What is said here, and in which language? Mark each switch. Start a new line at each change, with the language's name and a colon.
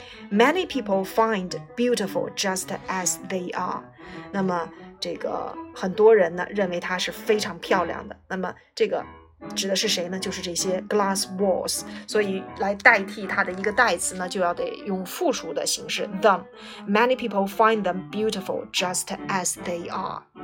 English: Many people find beautiful just as they are.
Chinese: 那么这个很多人呢认为它是非常漂亮的。那么这个指的是谁呢？就是这些 glass walls. 所以来代替它的一个代词呢，就要得用复数的形式 them.
English: Many people find them beautiful just as they are.